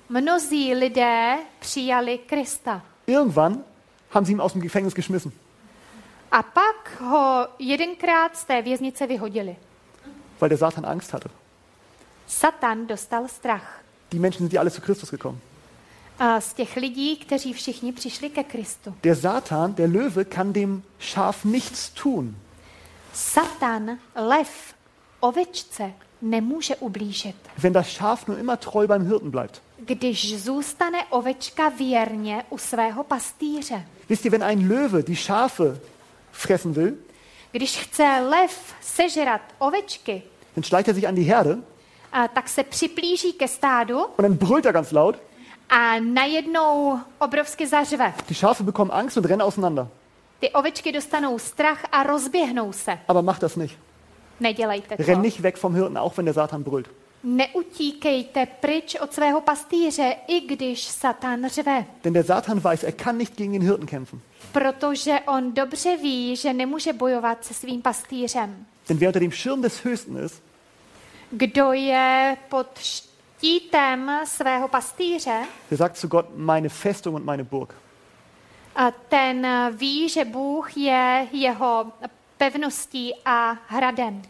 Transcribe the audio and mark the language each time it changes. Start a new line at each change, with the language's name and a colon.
Czech: Mnozí lidé přijali Krista.
German: Irgendwann haben sie ihn aus dem Gefängnis geschmissen.
Czech: A pak ho jedenkrát z té věznice vyhodili.
German: Weil der Satan Angst hatte.
Czech: Satan dostal strach.
German: Die Menschen sind ja alle zu Christus gekommen.
Czech: Z těch lidí, kteří všichni přišli ke Kristu.
German: Der Satan, der Löwe, kann dem Schaf nichts tun.
Czech: Satan, lev, ovečce nemůže ublížit.
German: Wenn das Schaf nur immer treu beim Hirten bleibt.
Czech: Když zůstane ovečka věrně u svého pastýře.
German: Wisst ihr, wenn ein Löwe die Schafe fressen will?
Czech: Když chce lev sežrat ovečky.
German: Dann schleicht er sich an die Herde.
Czech: A tak se připlíží ke stádu.
German: Und dann brüllt er ganz laut.
Czech: A najednou obrovsky zařve.
German: Die Schafe bekommen Angst und rennen auseinander.
Czech: Ty ovečky dostanou strach a rozběhnou se.
German: Aber mach das nicht.
Czech: Nedělejte to.
German: Renn nicht weg vom Hirten, auch wenn der Satan brüllt.
Czech: Neutíkejte pryč od svého pastýře, i když Satan řve.
German: Denn der Satan weiß, er kann nicht gegen den Hirten kämpfen.
Czech: Protože on dobře ví, že nemůže bojovat se svým pastýřem.
German: Denn wer unter dem Schirm des Höchsten ist,
Czech: kdo je pod štítem svého pastýře,
German: der sagt zu Gott, meine Festung und meine Burg.
Czech: A ten ví, že Bůh je jeho pevností a hradem.